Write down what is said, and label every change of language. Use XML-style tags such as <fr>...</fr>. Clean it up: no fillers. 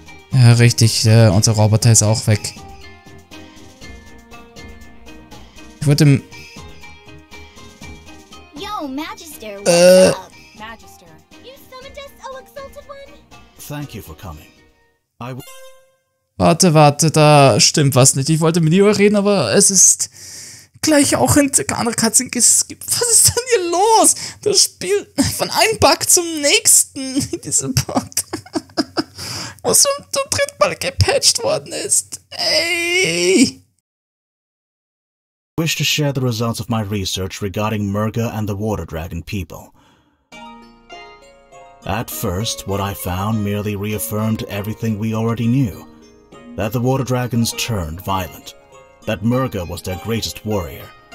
<de>Ja, richtig. Unser Roboter ist auch weg. Ich würde...</de> <en>Yo, Magister, Magister, you summoned us, O Exalted One? Thank you for coming.</en> <de>Warte, warte, da stimmt was nicht. Ich wollte mit dir reden, aber es ist gleich auch in der anderen Katzen geskippt. Was ist denn hier los? Das Spiel von einem Bug zum nächsten in diesem Bug. Was schon zum dritten Mal gepatcht worden ist. Ey!</de> <en>I wish to share the results of my research regarding Murga and the Water Dragon people. At first, what I found merely reaffirmed everything we already knew. That the Water Dragons turned violent. That Murga was their greatest warrior.</en>